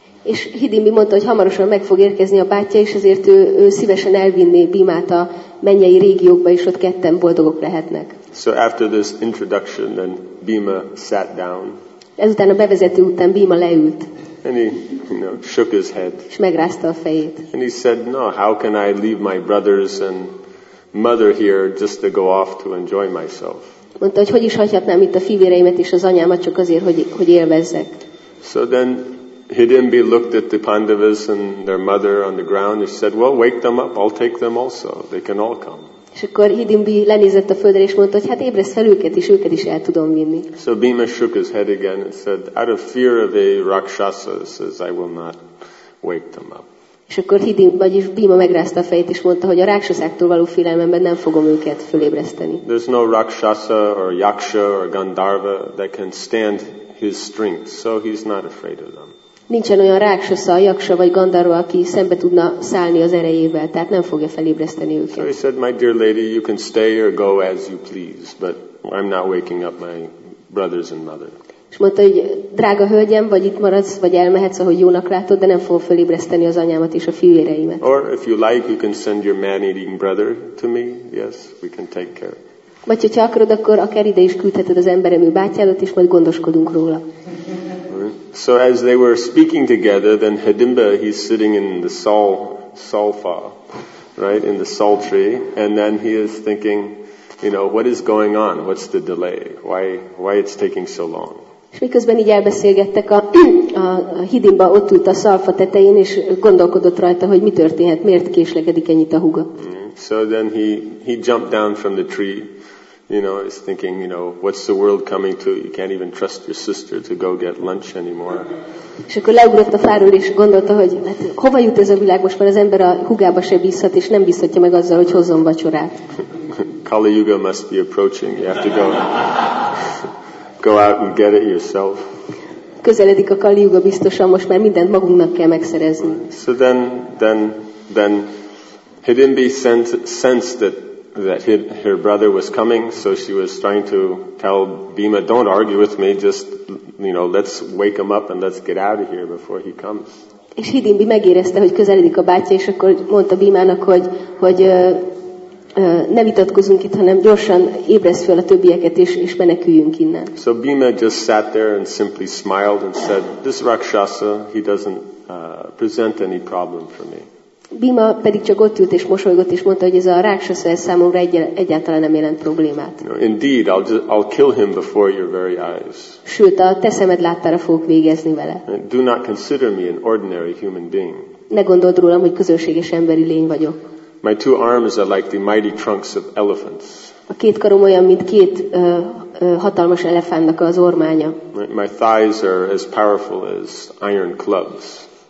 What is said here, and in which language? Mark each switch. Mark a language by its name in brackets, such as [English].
[Hungarian] És Hidimbi mondta, hogy hamarosan meg fog érkezni a bátyja, és ezért ő szívesen elvinné Bhimát a mennyei régiókba, és ott ketten boldogok lehetnek. [English] So after this introduction, then Bhima sat down. [Hungarian] Ezután a bevezető után Bhima leült. [English] And he, you know, shook his head. [Hungarian] És megrázta a fejét. [English] And he said, no, how can I leave my brothers and mother here just to go off to enjoy myself? [Hungarian] Mondta, hogy is hagyhatnám itt a fivéreimet és az anyámat csak azért, hogy élvezzek. [English] So then Hidimbi looked at the Pandavas and their mother on the ground and said, well, wake them up, I'll take them also. They can all come. [Hungarian] És akkor Hidimbi lenézett a földre és mondta, hogy hát ébreszt fel őket, és őket is el tudom vinni. [English] So Bhima shook his head again and said, out of fear of a rakshasa, says, I will not wake them up. [Hungarian] És akkor Bhima megrázta a fejét és mondta, hogy a rakshasáktól való félelmemben nem fogom őket fölébreszteni. [English] There's no rakshasa or yaksha or gandharva that can stand his strength, so he's not afraid of them. [Hungarian] Nincsen olyan ráksosza, jaksa vagy gandarva, aki szembe tudna szállni az erejével, tehát nem fogja felébreszteni őket. [English] So he said, my dear lady, you can stay or go as you please, but I'm not waking up my brothers and mother. [Hungarian] És mondta, hogy drága hölgyem, vagy itt maradsz, vagy elmehetsz, ahogy jónak látod, de nem fogom felébreszteni az anyámat és a fivéreimet. [English] Or if you like, you can send your man-eating brother to me. Yes, we can take care. [Hungarian] Vagy hogyha akarod, akkor akár ide is küldheted az emberemű bátyádat, és majd gondoskodunk róla. [English] So as they were speaking together, then Hidimba, he's sitting in the salfa, right, in the sal tree, and then he is thinking, you know, what is going on? What's the delay? Why it's taking so long? [Hungarian] És miközben így elbeszélgettek, a Hidimba ott ült a szalfa tetején, és gondolkodott rajta, hogy mi történhet, miért késlegedik ennyit a húga. [English] So then he jumped down from the tree, you know, is thinking, you know, what's the world coming to? You can't even trust your sister to go get lunch anymore. [Hungarian] És akkor leugrott a fáról, és gondolta, hogy hát, hova jut ez a világ most, mert az ember a húgába se bízhat, és nem bízhatja meg azzal, hogy hozzon vacsorát. [English] Kali Yuga must be approaching. You have to go out and get it yourself. [Hungarian] Közeledik a Kali Yuga biztosan, most már mindent magunknak kell megszerezni. [English] So then Hidimbi sensed that her brother was coming, so she was trying to tell Bhima, don't argue with me, just, you know, let's wake him up and let's get out of here before he comes. [Hungarian] És Hidimbi megérezte, hogy közeledik a bátyja, és akkor mondta Bhimának, hogy ne vitatkozunk itt, hanem gyorsan ébresz fel a többieket, és meneküljünk innen. [English] So Bhima just sat there and simply smiled and said, this Rakshasa, he doesn't present any problem for me. [Hungarian] Bhima pedig csak ott ült és mosolygott, és mondta, hogy ez a rákshasa számomra egyáltalán nem jelent problémát. [English] No, indeed, I'll kill him before your very eyes. [Hungarian] Sőt, a te szemed láttára fogok végezni vele. [English] Do not consider me an ordinary human being. [Hungarian] Ne gondold rólam, hogy közönséges emberi lény vagyok. [English] My two arms are like the mighty trunks of elephants. [Hungarian] A két karom olyan, mint két hatalmas elefántnak az ormánya. [English] My thighs are as powerful as iron clubs.